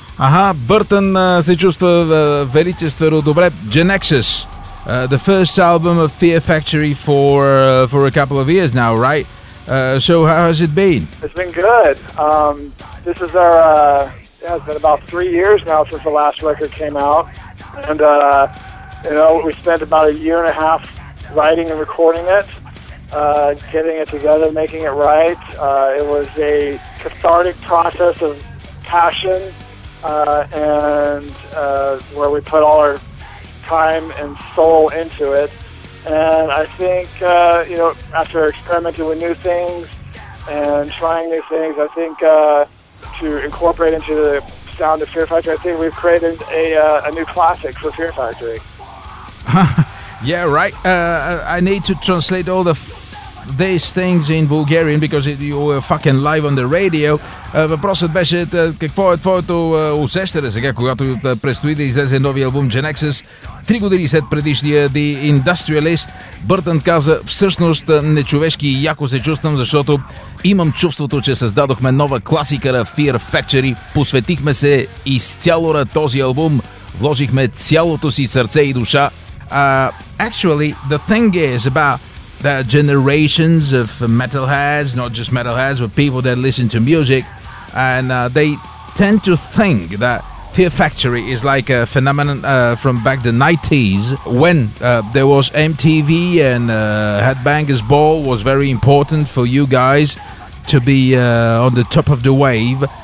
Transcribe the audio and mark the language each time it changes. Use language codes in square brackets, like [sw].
[bg] Aha, Burton се чувства величествено добре. [en] Genexus, the first album of Fear Factory for a couple of years now, right? So how has it been? It's been good. This is our, it's been about 3 years now since the last record came out. And, we spent about a year and a half writing and recording it, getting it together, making it right. It was a cathartic process of passion. And where we put all our time and soul into it. And I think, after experimenting with new things and trying new things, I think to incorporate into the sound of Fear Factory, I think we've created a new classic for Fear Factory. Yeah, right. I need to translate all the these things in Bulgarian because you were fucking live on the radio. [bg] Въпросът беше какво е твоето усещане сега, когато предстои да излезе новия албум Genexus 3 години след предишния The Industrialist. Бъртън каза, всъщност нечовешки и яко се чувствам, защото имам чувството, че създадохме нова класика на Fear Factory. Посветихме се изцяло на този албум, вложихме цялото си сърце и душа. [en] Actually, the thing is about that generations of metalheads, not just metalheads, but people that listen to music, and they tend to think that Fear Factory is like a phenomenon from back the 90s, when there was MTV and Headbangers Ball was very important for you guys to be on the top of the wave.